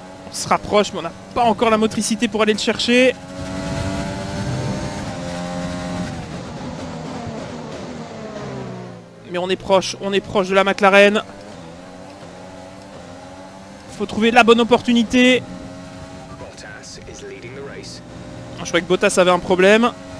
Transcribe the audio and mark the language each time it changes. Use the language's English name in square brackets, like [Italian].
[French] On se rapproche, mais on n'a pas encore la motricité pour aller le chercher. Mais on est proche de la McLaren. Il faut trouver la bonne opportunité. [English] Bottas is leading the race. [French] Je croyais que Bottas avait un problème.